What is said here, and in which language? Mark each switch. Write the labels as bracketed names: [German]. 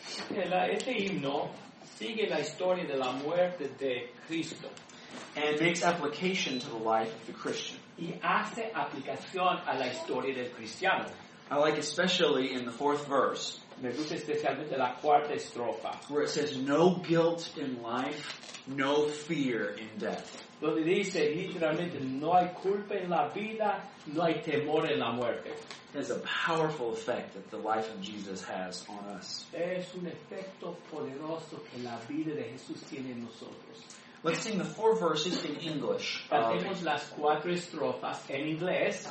[Spanish] Este himno sigue la historia de la muerte de Cristo. [English] And makes application to the life of the Christian. [Spanish] Y hace aplicación a la historia del cristiano. [English] I like especially in the fourth verse. [Spanish] Me gusta especialmente la cuarta estrofa. [English] Where it says, no guilt in life, no fear in death. [Spanish] Donde dice literalmente, no hay culpa en la vida, no hay temor en la muerte. [English] There's a powerful effect that the life of Jesus has on us. [Spanish] Es un efecto poderoso que la vida de Jesús tiene en nosotros. [English] Let's sing the four verses in English. [Spanish] Cantemos las cuatro estrofas en inglés.